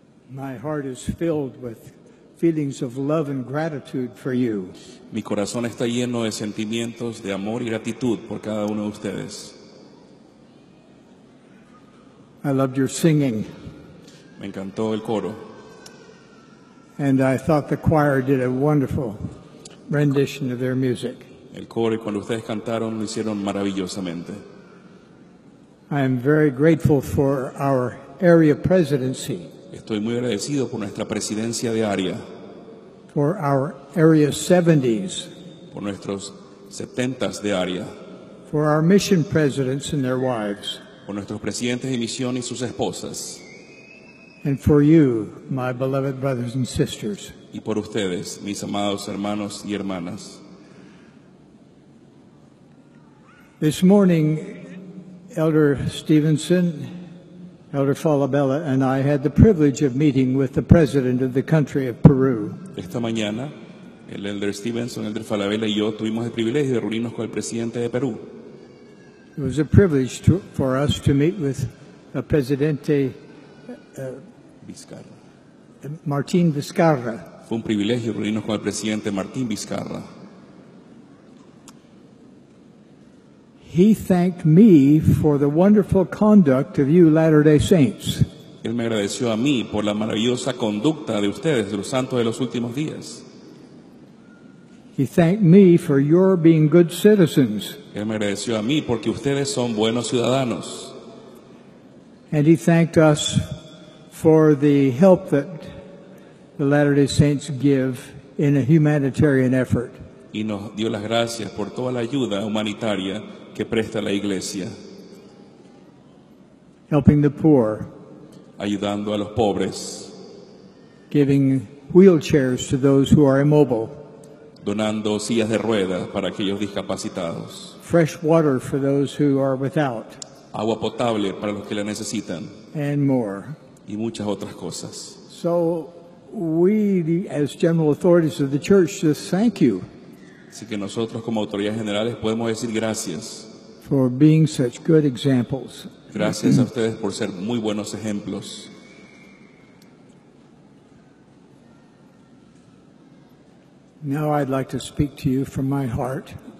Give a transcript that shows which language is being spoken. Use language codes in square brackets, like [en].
[en] My heart is filled with feelings of love and gratitude for you. [es] Mi corazón está lleno de sentimientos de amor y gratitud por cada uno de ustedes. [en] I loved your singing. [es] Me encantó el coro. [en] And I thought the choir did a wonderful rendition of their music. [es] El coro y cuando ustedes cantaron lo hicieron maravillosamente. [en] I am very grateful for our area presidency. [es] Estoy muy agradecido por nuestra presidencia de área. [en] For our area 70s. [es] Por nuestros 70s de área. [en] For our mission presidents and their wives. [es] Por nuestros presidentes de misión y sus esposas. [en] And for you, my beloved brothers and sisters. [es] Y por ustedes, mis amados hermanos y hermanas. [en] This morning, Elder Stevenson, Elder Falabella, and I had the privilege of meeting with the president of the country of Peru. [es] Esta mañana, el Elder Stevenson, Elder Falabella y yo tuvimos el privilegio de reunirnos con el presidente de Perú. [en] It was a privilege to, for us to meet with a presidente Martín Vizcarra. [es] Fue un privilegio reunirnos con el presidente Martín Vizcarra. [en] He thanked me for the wonderful conduct of you Latter-day Saints. [es] Él me agradeció a mí por la maravillosa conducta de ustedes, de los santos de los últimos días. [en] He thanked me for your being good citizens. [es] Él me agradeció a mí porque ustedes son buenos ciudadanos. [en] And he thanked us for the help that the Latter-day Saints give in a humanitarian effort. [es] Y nos dio las gracias por toda la ayuda humanitaria que presta la iglesia. [en] Helping the poor. [es] Ayudando a los pobres. [en] Giving wheelchairs to those who are immobile. [es] Donando sillas de ruedas para aquellos discapacitados. [en] Fresh water for those who are without. [es] Agua potable para los que la necesitan. [en] And more. [es] Y muchas otras cosas. [en] So we, as general authorities of the church, just thank you. [es] Así que nosotros como autoridades generales podemos decir gracias. [en] For being such good examples. [es] Gracias a ustedes por ser muy buenos ejemplos. [en] Now I'd like to speak to you from my heart.